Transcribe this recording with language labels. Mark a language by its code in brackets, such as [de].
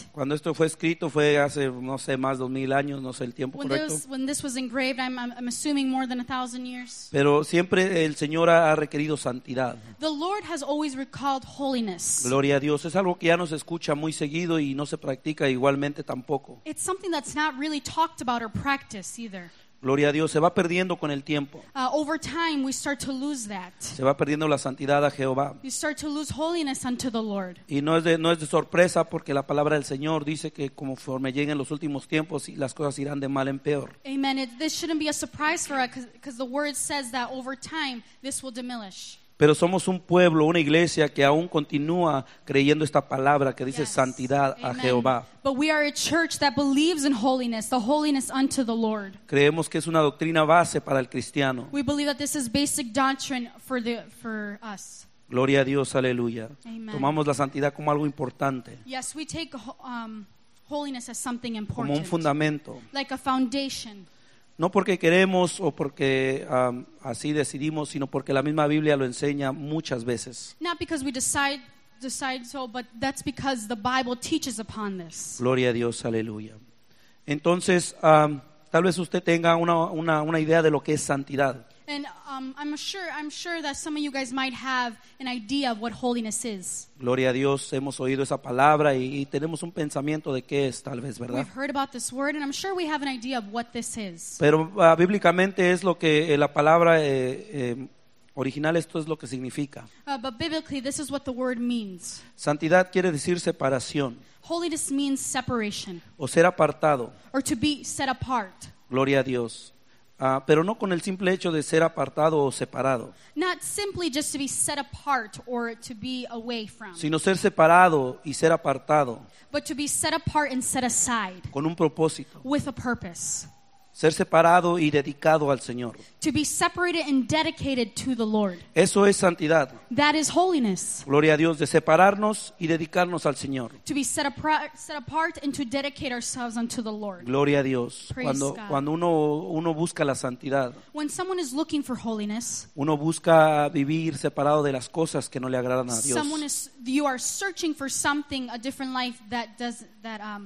[es] Cuando esto fue escrito fue hace, no sé, más de 2,000 años, no sé el tiempo [en] when [es] correcto. [en] When this was engraved, I'm assuming more than 1,000 years. [es] Pero siempre el Señor ha requerido santidad. [en] The Lord has always recalled holiness. [es] Gloria a Dios. Es algo que ya no se escucha muy seguido y no se practica igualmente tampoco. [en] It's something that's not really talked about or practiced either. [es] Gloria a Dios, se va perdiendo con el tiempo. [en] Over time we start to lose that. [es] Se va perdiendo la santidad a Jehová. [en] You start to lose holiness unto the Lord. [es] Y no es de sorpresa porque la palabra del Señor dice que conforme lleguen los últimos tiempos las cosas irán de mal en peor. [en] Amen. This shouldn't be a surprise for us because the word says that over time this will diminish. [es] Pero somos un pueblo, una iglesia que aún continúa creyendo esta palabra que dice [en] yes. [es] Santidad [en] Amen. [es] A Jehová. [en] But we are a church that believes in holiness, the holiness unto the Lord. [es] Creemos que es una doctrina base para el cristiano. [en] We believe that this is basic doctrine for us. [es] Gloria a Dios, aleluya. [en] Amen. [es] Tomamos la santidad como algo importante. [en] Yes, we take holiness as something important. [es] Como un fundamento. [en] Like a foundation. [es] No porque queremos o porque así decidimos, sino porque la misma Biblia lo enseña muchas veces. [en] Not because we decide so, but that's because the Bible teaches upon this. [es] Gloria a Dios, aleluya. Entonces, tal vez usted tenga una idea de lo que es santidad. [en] And I'm sure that some of you guys might have an idea of what holiness is. [es] Gloria a Dios, hemos oído esa palabra y tenemos un pensamiento de qué es, tal vez, ¿verdad? [en] We've heard about this word, and I'm sure we have an idea of what this is. [es] Pero bíblicamente es lo que la palabra original, esto es lo que significa. [en] But biblically, this is what the word means. [es] Santidad quiere decir separación. [en] Holiness means separation. [es] O ser apartado. [en] Or to be set apart. [es] Gloria a Dios. Pero no con el simple hecho de ser apartado o separado. [en] Not simply just to be set apart or to be away from. [es] Sino ser separado y ser apartado. [en] But to be set apart and set aside. [es] Con un propósito. [en] With a purpose. [es] Ser separado y dedicado al Señor. [en] To be separated and dedicated to the Lord. [es] Eso es santidad. [en] That is holiness. [es] Gloria a Dios, de separarnos y dedicarnos al Señor. [en] To be set apart and to dedicate ourselves unto the Lord. [es] Gloria a Dios. [en] Praise [es] cuando, [en] God. [es] Cuando uno busca la santidad. [en] When someone is looking for holiness. [es] Uno busca vivir separado de las cosas que no le agradan a Dios. [en] You are searching for something, a different life that does that.